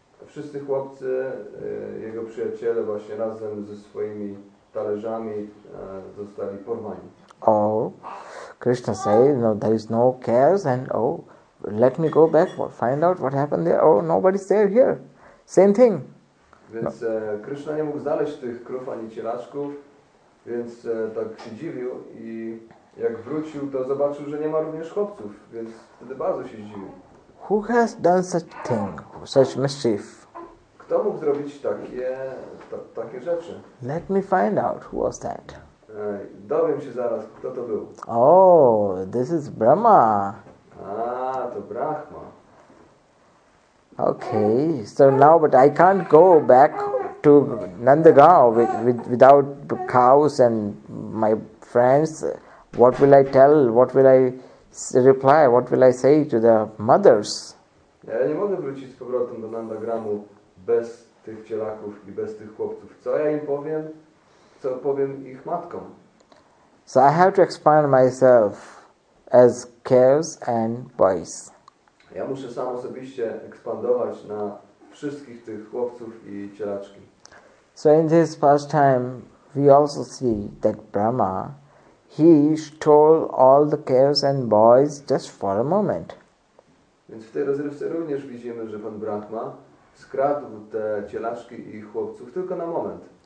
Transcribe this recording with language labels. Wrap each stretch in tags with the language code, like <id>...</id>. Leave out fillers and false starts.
<pl>Wszyscy chłopcy, jego przyjaciele właśnie razem ze swoimi talerzami zostali porwani.</pl> <en>Oh, Krishna says, no, there is no cares, and oh, let me go back, find out what happened there. Oh, nobody's there here. Same thing.</en> <pl>Więc Krishna nie mógł znaleźć tych krów ani cielaczków, więc tak się dziwił i jak wrócił, to zobaczył, że nie ma również chłopców, więc wtedy bardzo się zdziwił.</pl> <en>Who has done such thing, such mischief?</en> <pl>Kto mógł zrobić takie rzeczy?</pl> <en>Let me find out who was that.</en> <pl>Dowiem się zaraz, kto to był.</pl> <en>Oh, this is Brahma.</en> <pl>To Brahma.</pl> <en>Okay, so now, but I can't go back to Nandagaon without cows and my friends. What will I tell? What will I reply? What will I say to the mothers?</en> <pl>Ja nie mogę wrócić z powrotem do Nandagramu bez tych cielaków i bez tych chłopców. Co ja im powiem? Co powiem ich matkom?</pl> <en>So I have to expand myself as cows and boys.</en> <pl>Ja muszę sam osobiście ekspandować na wszystkich tych chłopców i cielaczki.</pl> <en>So in this past time, we also see that Brahma, he stole all the cows and boys just for a moment.</en> <pl>Więc w tej rozrywce również widzimy, że pan Brahma skradł te cielaczki i chłopców tylko na moment.</pl>